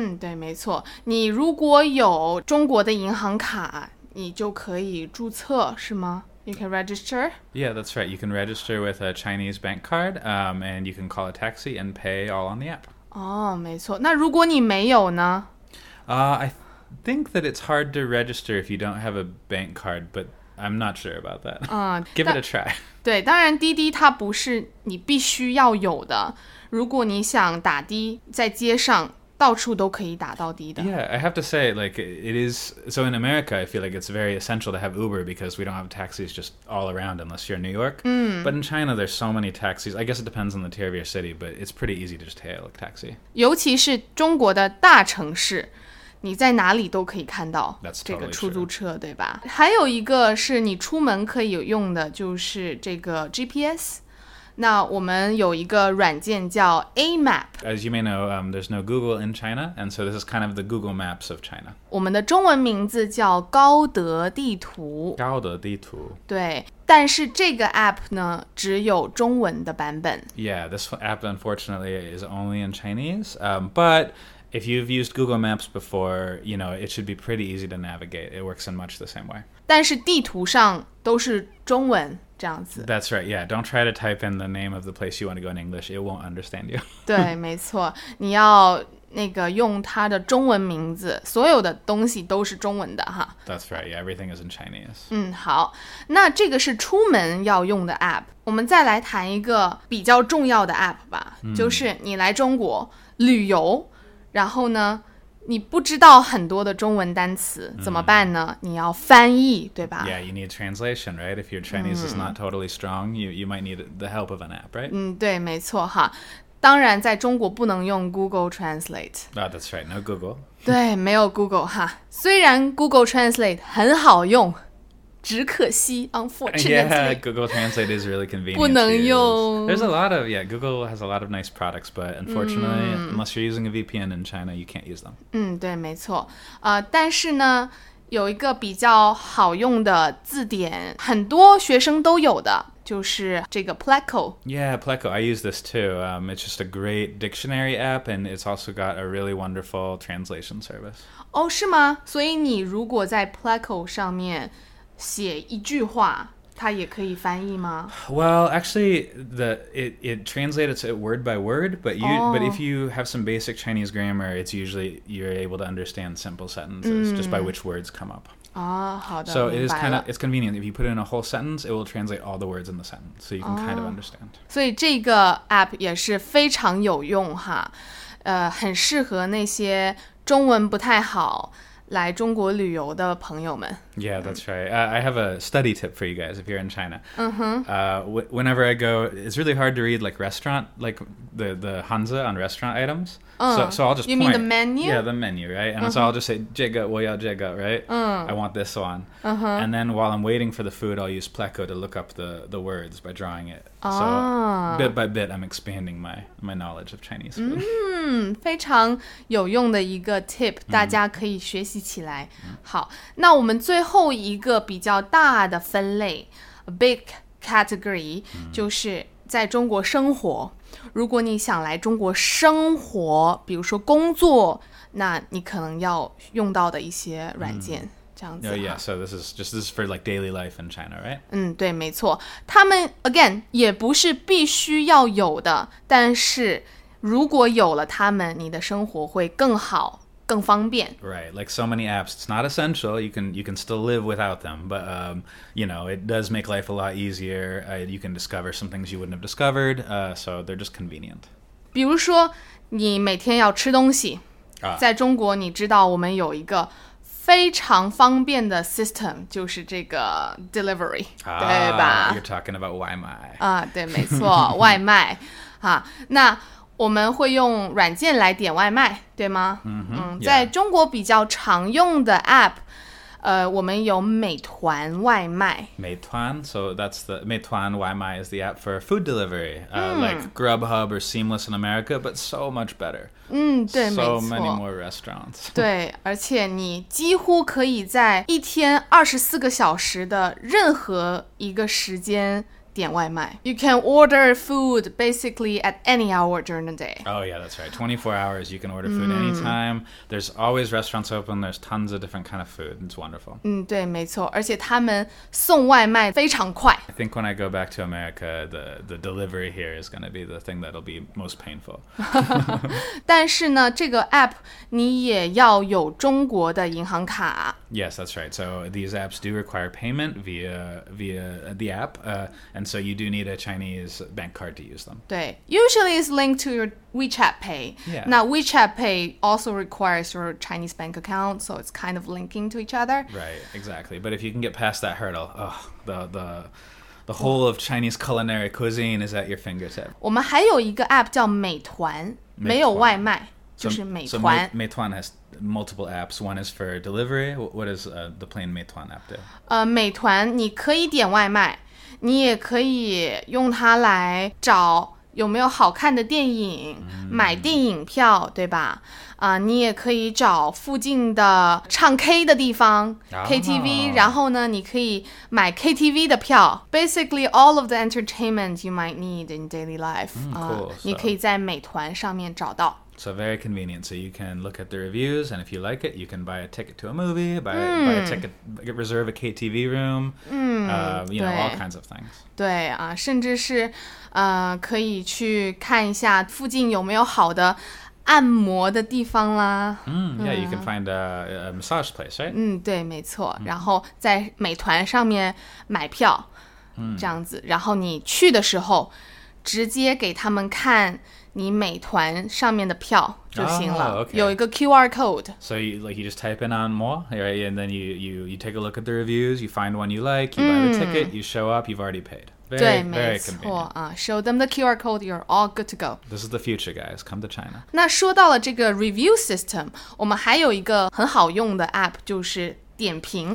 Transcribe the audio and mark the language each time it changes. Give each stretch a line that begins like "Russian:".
Chinese: 对，没错。你如果有中国的银行卡，你就可以注册，是吗 ？
English: You can register。 Yeah, that's right. You can register with a Chinese bank card, and you can call a taxi and pay all on the app.
Chinese: 没错。那如果你没有呢？
English: I think that it's hard to register if you don't have a bank card, but I'm not sure about that. Give it a try.
Chinese: 对，当然滴滴它不是你必须要有的。如果你想打的，在街上到处都可以打到的。
English: Yeah, I have to say, it is. So in America, I feel like it's very essential to have Uber because we don't have taxis just all around unless you're in New York. But in China, there's so many taxis. I guess it depends on the tier of your city, but it's pretty easy to just hail a taxi.
Chinese: 尤其是中国的大城市。你在哪里都可以看到这个出租车、
English: totally、
Chinese: 对吧还有一个是你出门可以用的就是这个 GPS 那我们有一个软件叫 AMAP
English: As you may know, there's no Google in China and so this is kind of the Google Maps of China
Chinese: 我们的中文名字叫高德地图高德地图对但是这个 app 呢只有中文的版本
English: Yeah, this app unfortunately is only in Chinese butIf you've used Google Maps before, you know, it should be pretty easy to navigate. It works in much the same way.
Chinese: 但是地图上都是中文这样子。
English: That's right, yeah. Don't try to type in the name of the place you want to go in English. It won't understand you.
Chinese: 对，没错。你要那个用它的中文名字，所有的东西都是中文的哈。
English: That's right, yeah. Everything is in Chinese.
Chinese: 好。那这个是出门要用的 app。我们再来谈一个比较重要的 app 吧，就是你来中国旅游。然后呢你不知道很多的中文单词怎么办呢你要翻译对吧
English: Yeah, you need translation, right? If your Chinese is not totally strong, you might need the help of an app, right?
Chinese: 对没错哈当然在中国不能用 Google Translate、
English: oh, That's right, no Google
Chinese: 对没有 Google 哈虽然 Google Translate 很好用只可惜
English: unfortunately Yeah, Google Translate is really convenient
Chinese: 不能用
English: There's a lot of, yeah, Google has a lot of nice products But unfortunately, unless you're using a VPN in China, you can't use them
Chinese: 对没错但是呢有一个比较好用的字典很多学生都有的就是这个 Pleco.
English: Yeah, Pleco. I use this too. It's just a great dictionary app, and it's also got a really wonderful translation service.
Chinese: 哦，是吗？所以你如果在 Pleco 上面写一句话，它也可以翻译吗？
English: Well, actually, it translates it word by word, but but if you have some basic Chinese grammar, it's usually you're able to understand simple sentences just by which words come up. So it is kind of, it's convenient. If you put in a whole sentence, it will translate all the words in the sentence, so you can kind of understand.
Chinese: 所以这个 app 也是非常有用哈，很适合那些中文不太好来中国旅游的朋友们。
English: Yeah, that's right. I have a study tip for you guys if you're in China. Whenever I go, it's really hard to read like restaurant, like the Hanzi on restaurant items. So I'll just point. You mean the menu? Yeah, the menu, right? And so I'll just say,
Chinese: 这个我要这个,
English: right? I want this one. And then while I'm waiting for the food, I'll use Pleco to look up the words by drawing it. So bit by bit, I'm expanding my knowledge of Chinese food.
Chinese: 非常有用的一个 tip, 大家可以学习起来。好，那我们最后一个比较大的分类
English: a big category,
Chinese: 就是在中国生活。如果你想来中国生活，比如说工作，那你可能要用到的一些软件，这样子。
English: Yeah, so this is for like daily life in China, right?
Chinese: 对，没错。他们 again 也不是必须要有的，但是如果有了他们，你的生活会更好。更方便。
English: Right, like so many apps, it's not essential. You can still live without them, but you know, it does make life a lot easier. You can discover some things you wouldn't have discovered. So they're just convenient.
Chinese: 比如说，你每天要吃东西，在中国，你知道我们有一个非常方便的 system, 就是这个 delivery, 对吧
English: ？You're talking about 外卖
Chinese: 啊？对，没错，外卖啊，那。我们会用软件来点外卖，对吗？在中国比较常用的 app, 我们有美团外卖。
English: 美团 ，so that's the 美团外卖 is the app for food delivery, like Grubhub or Seamless in America, but so much better.
Chinese: 对，没错。
English: So many more restaurants.
Chinese: 对，而且你几乎可以在一天24个小时的任何一个时间。点外卖
English: You can order food basically at any hour during the day. Oh yeah, that's right. 24 hours, you can order food anytime. There's always restaurants open. There's tons of different kind of food. It's wonderful.
Chinese: 对，没错。而且他们送外卖非常快。
English: I think when I go back to America, the delivery here is going to be the thing that'll be most painful.
Chinese: 但是呢，这个 app 你也要有中国的银行卡。
English: Yes, that's right. So these apps do require payment via the app. And so you do need a Chinese bank card to use them. 对, usually it's linked to your WeChat Pay. Yeah. Now WeChat Pay also requires your Chinese bank account, so it's kind of linking to each other. Right, exactly. But if you can get past that hurdle, the whole of Chinese culinary cuisine is at your fingertip.
Chinese: 我们还有一个 app 叫美团，没有外卖，就是美团。
English: So Meituan has multiple apps. One is for delivery. What does the plain Meituan app do?
Chinese: 美团你可以点外卖。你也可以用它来找有没有好看的电影，买电影票，对吧？你也可以找附近的唱 K 的地方 KTV， 然后呢，你可以买 KTV 的票。
English: Basically, all of the entertainment you might need in daily life， cool.
Chinese: 你可以在美团上面找到。
English: So very convenient. So you can look at the reviews, and if you like it, you can buy a ticket to a movie, buy a ticket, reserve a KTV room, you know, all kinds of things.
Chinese: 对啊，甚至是，可以去看一下附近有没有好的按摩的地方啦。
English: Yeah, you can find a massage place, right?
Chinese: 对，没错。然后在美团上面买票，这样子。然后你去的时候，直接给他们看。你美团上面的票就行了
English: okay.
Chinese: 有一个 QR code
English: So you just type in on more right? And then you take a look at the reviews You find one you like You buy the ticket You show up You've already paid Very convenient Show them the QR code You're all good to go This is the future guys Come to China
Chinese: 那说到了这个 review system 我们还有一个很好用的 app 就是点评。